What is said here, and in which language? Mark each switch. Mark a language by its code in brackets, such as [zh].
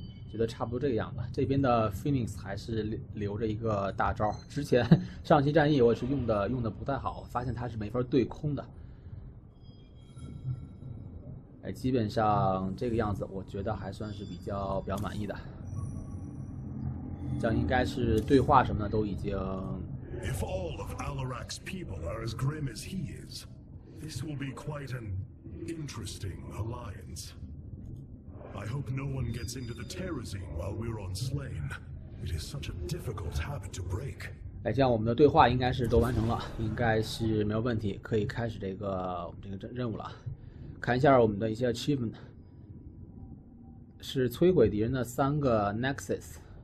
[zh] 觉得差不多这个样子。这边的 Phoenix 还是留着一个大招，之前上期战役我是用的不太好，发现它是没法对空的。哎，基本上这个样子，我觉得还算是比较满意的。这样应该是对话什么的都已经。 [en] If all of Alarak's people are as grim as he is, this will be quite an interesting alliance. I hope no one gets into the Terezin while we're on Slain. It is such a difficult habit to break. [zh] 哎，这样我们的对话应该是都完成了，应该是没有问题，可以开始我们这个任务了。看一下我们的一些 achievement， 是摧毁敌人的3个 Nexus。